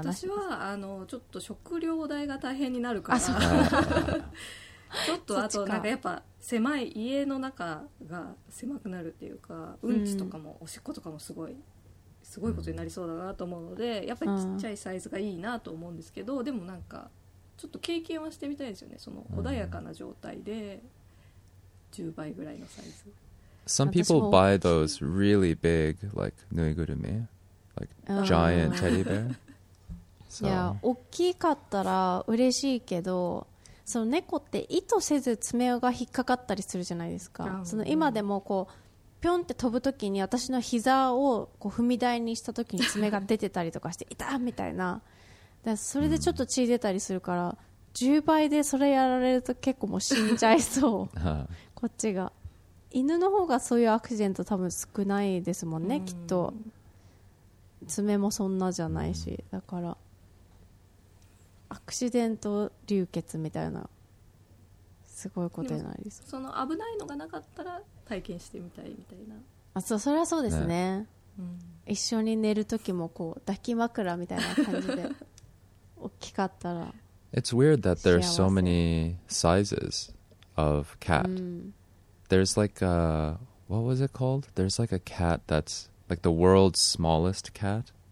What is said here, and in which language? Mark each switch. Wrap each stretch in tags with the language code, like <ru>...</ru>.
<ja>私はあのちょっと食料代が大変になるから、あそうかちょっとあとなんかやっぱ狭い家の中が狭くなるっていうか、うんちとかもおしっことかもすごいことになりそうだなと思うので、やっぱりちっちゃいサイズがいいなと思うんですけど、でもなんかちょっと経験はしてみたいですよね、その穏やかな状態で10倍ぐらいのサイズ。</ja> <en>Some people buy those really big, like, ぬいぐるみ, like, giant teddy bear.</en> <ja>いや、大きかったら嬉しいけど、その猫って意図せず爪が引っかかったりするじゃないですか。その今でもこう、ぴょんって飛ぶときに私の膝をこう踏み台にしたときに爪が出てたりとかして、痛っみたいな。だからそれでちょっと血出たりするから、10倍でそれやられると結構もう死んじゃいそう。こっちが。犬の方がそういうアクシデント多分少ないですもんね、きっと爪もそんなじゃないし、だからアクシデント流血みたいなすごいことになりそう。その危ないのがなかったら体験してみたいみたいな。あ、そう、それはそうですね、一緒に寝る時もこう抱き枕みたいな感じで大きかったら。</ja> <en>It's weird that there are so many sizes of cat. There's like a, what was it called? There's like a cat that's like the world's smallest cat.</en>